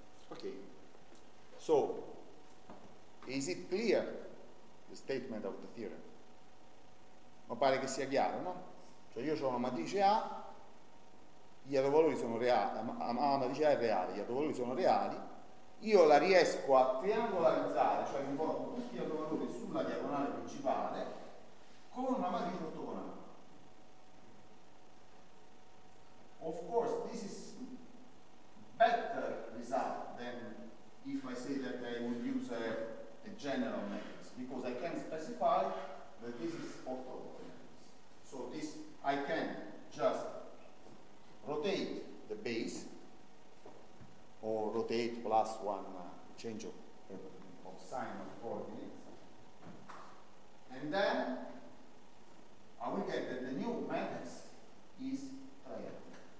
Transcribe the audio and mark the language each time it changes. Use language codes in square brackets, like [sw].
[en] Okay, so is it clear the statement of the theorem? [it] Ma pare che sia chiaro, no? Cioè io ho una matrice A, gli autovalori sono reali, la matrice A è reale, gli autovalori sono reali, io la riesco a triangolarizzare, cioè mi porto tutti gli autovalori sulla diagonale principale con una matrice ortogonale. [en] Of course, this is better result than if I say that I would use a general matrix, because I can specify that this is orthogonal matrix. So this, I can just rotate the base, or rotate plus one change of sign of coordinates, and then I will get that the new matrix is triangular.